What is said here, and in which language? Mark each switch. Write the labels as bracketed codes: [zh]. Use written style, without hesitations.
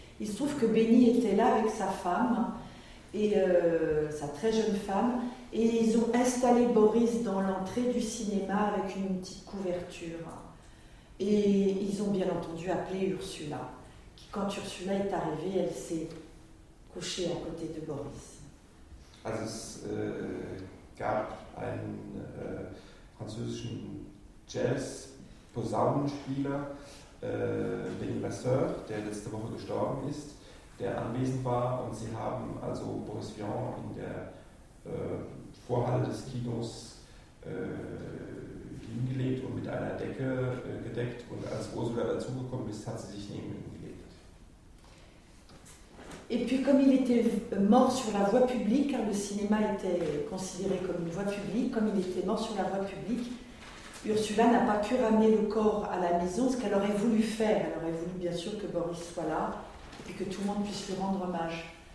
[fr] Il se trouve que Benny était là avec sa femme, et sa très jeune femme, et ils ont installé Boris dans l'entrée du cinéma avec une petite couverture. Et ils ont bien entendu appelé Ursula, qui, quand Ursula est arrivée, elle s'est couchée à côté de Boris. [de] Also es gab einen französischen Jazz-Posaunenspieler, Benny Vasseur, der letzte Woche gestorben ist, der anwesend war und sie haben also Boris Vian in der Vorhalle des Kinos hingelegt und mit einer Decke gedeckt und als Ursula dazugekommen ist, hat sie sich neben ihn gelegt. [fr] Et puis comme il était mort sur la voie publique, car le cinéma était considéré comme une voie publique, comme il était mort sur la voie publique, Ursula n'a pas pu ramener le corps à la maison, ce qu'elle aurait voulu faire. Elle aurait voulu bien sûr que Boris soit là, et que tout le monde puisse lui rendre hommage.